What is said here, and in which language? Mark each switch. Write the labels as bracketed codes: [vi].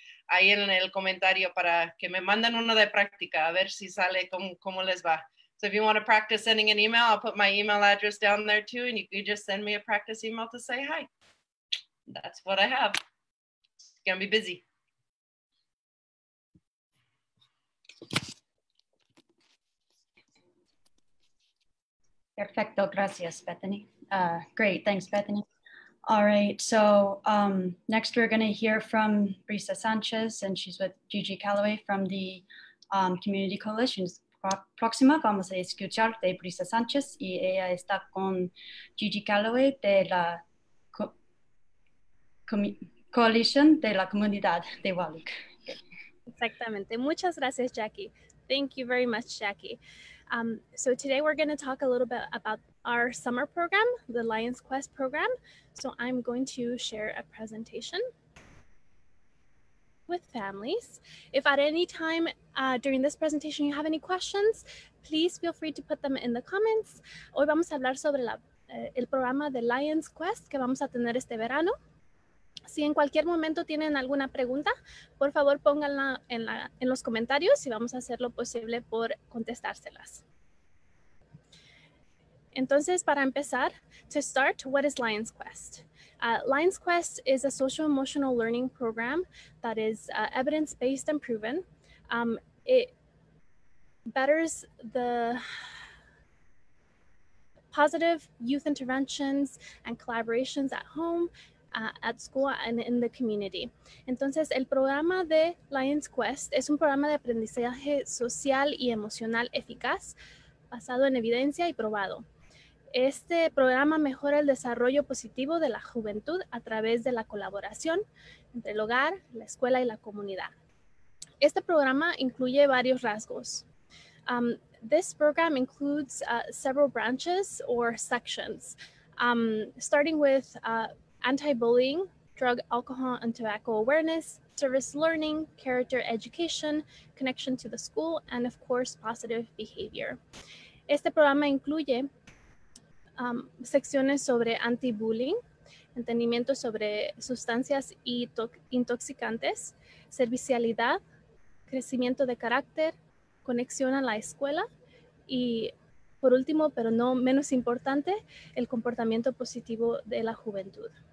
[es] ahí en el comentario para que me manden uno de práctica, a ver si sale, cómo les va. [en] So if you want to practice sending an email, I'll put my email address down there too, and you just send me a practice email to say hi. That's what I have. It's gonna be busy. [es] Perfecto, gracias, Bethany. [en] Great, thanks, [es] Bethany. [en] All right, so next we're gonna hear from Brisa Sanchez, and she's with Gigi Calloway from the Community Coalitions. [es] Próxima, vamos a escuchar de Brisa Sanchez, y ella está con Gigi Calloway de la Coalición de la Comunidad de Wahluke. Exactamente. Muchas gracias, [en] Jackie. Thank you very much, Jackie. So today we're going to talk a little bit about our summer program, the Lion's Quest program. So I'm going to share a presentation with families. If at any time during this presentation you have any questions, please feel free to put them in the comments. [es] Hoy vamos a hablar sobre el programa de Lion's Quest que vamos a tener este verano. Si en cualquier momento tienen alguna pregunta, por favor pónganla en los comentarios y vamos a hacer lo posible por contestárselas. Entonces, para empezar, [en] to start, what is Lion's Quest? Lion's Quest is a social-emotional learning program that is evidence-based and proven. It betters the positive youth interventions and collaborations at home, at school and in the community. [es] Entonces, el programa de Lion's Quest es un programa de aprendizaje social y emocional eficaz, basado en evidencia y probado. Este programa mejora el desarrollo positivo de la juventud a través de la colaboración entre el hogar, la escuela y la comunidad. Este programa incluye varios rasgos. [en] This program includes several branches or sections, starting with anti-bullying, drug, alcohol, and tobacco awareness, service learning, character education, connection to the school, and of course, positive behavior. [es] Este programa incluye secciones sobre anti-bullying, entendimiento sobre sustancias y intoxicantes, servicialidad, crecimiento de carácter, conexión a la escuela, y por último, pero no menos importante, el comportamiento positivo de la juventud.